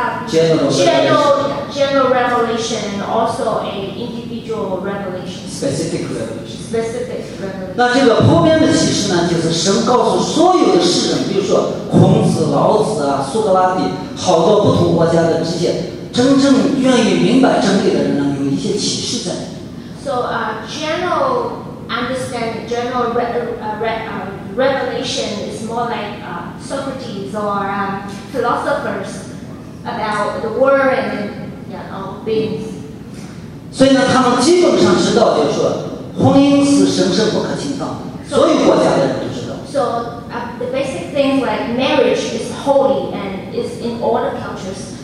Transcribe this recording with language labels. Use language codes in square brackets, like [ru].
[en] So there's a general revelation and also an individual revelation. Specific revelation. Specific, [zh] 那这个普遍的启示呢，就是神告诉所有的世人，比如说孔子、老子啊、苏格拉底，好多不同国家的这些真正愿意明白真理的人呢，有一些启示在。 [en] So, general understanding, general revelation is more like Socrates or philosophers about the world and beings. [zh] 所以呢，他们基本上知道，就是说。婚姻是神圣不可侵犯，所有国家的人都知道。 [en] So the basic things like marriage is holy and is in all the cultures.